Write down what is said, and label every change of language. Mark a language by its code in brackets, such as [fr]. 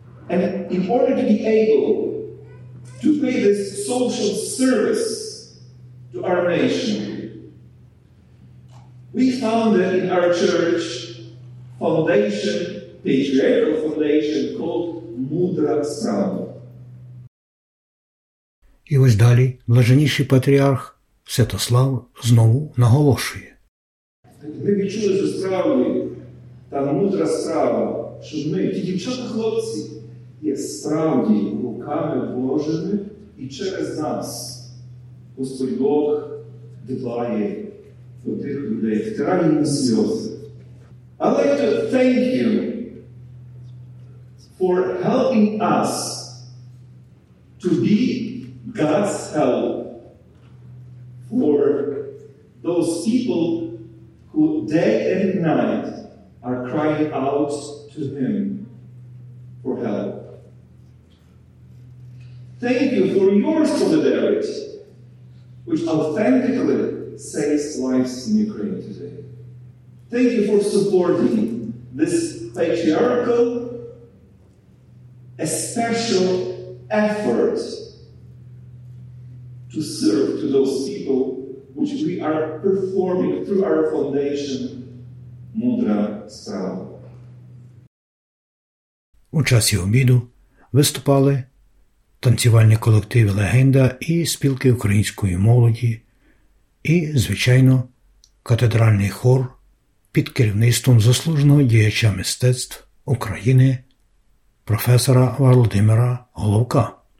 [en] And in order to be able to pay this social service to our nation, we founded in our church foundation, patriarchal foundation called Mudra Srama. [uk] І ось далі блаженніший патріарх Святослав знову наголошує. Ми відчули за справою та мудра справа, що ми, ті дівчата, хлопці, є справді руками Божими, і через нас Господь Бог дбає до тих людей, втирає їм сльози. [en] I'd like to thank you for helping us to be God's help for those people who day and night are crying out to Him for help. Thank you for your solidarity, which authentically saves lives in Ukraine today. Thank you for supporting this patriarchal, a special effort to serve to those people which we are performing through our foundation Mudra Srama. [uk] У часі обіду виступали танцювальні колективи «Легенда» і спілки української молоді, і, звичайно, катедральний хор під керівництвом заслуженого діяча мистецтв України професора Володимира Головка.